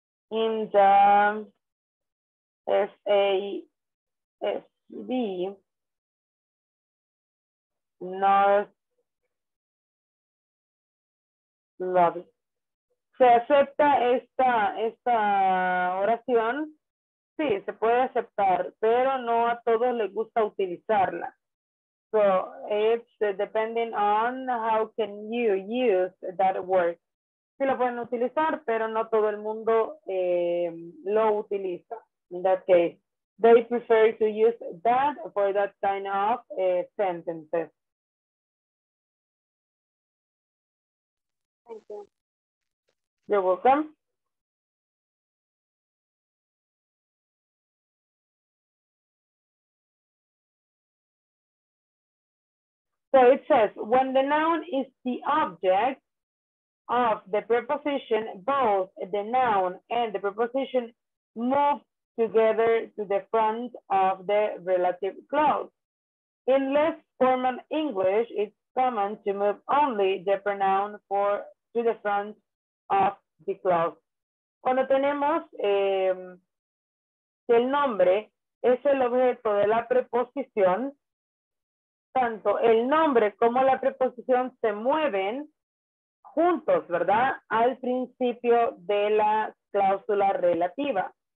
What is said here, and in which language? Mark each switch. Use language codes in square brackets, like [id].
[en] in the SASB North lobby. [es] ¿Se acepta esta oración? Sí, se puede aceptar, pero no a todos les gusta utilizarla. [en] So it's depending on how can you use that word. [es] Sí lo pueden utilizar, pero no todo el mundo lo utiliza. [en] In that case, they prefer to use that for that kind of sentences. Thank you. You're welcome. So it says, when the noun is the object of the preposition, both the noun and the preposition move together to the front of the relative clause. In less formal English, it's common to move only the pronoun to the front of the clause. [es] Cuando tenemos el nombre es el objeto de la preposición, tanto el nombre como la preposición se mueven juntos, ¿verdad? Al principio de la cláusula relativa.